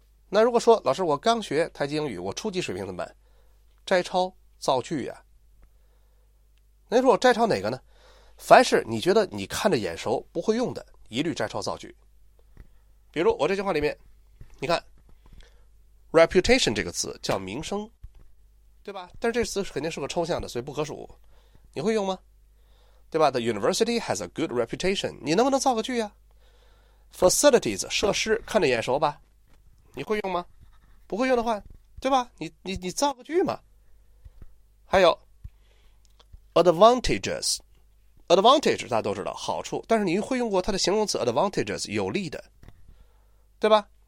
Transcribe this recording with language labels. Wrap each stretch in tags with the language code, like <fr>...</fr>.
<zh>那如果说老师我刚学台基英语，我初级水平怎么办？摘抄造句呀。那说我摘抄哪个呢？凡是你觉得你看着眼熟不会用的，一律摘抄造句。比如我这句话里面，你看 reputation 这个词叫名声，对吧？但是这词肯定是个抽象的，所以不可数，你会用吗？对吧？</zh> <en>The university has a good reputation，</en> <zh>你能不能造个句啊？ facilities 设施看着眼熟吧，你会用吗？不会用的话，对吧？你造个句嘛。还有advantages， advantage 大家都知道好处，但是你会用过它的形容词 advantages， 有利的，对吧？</zh>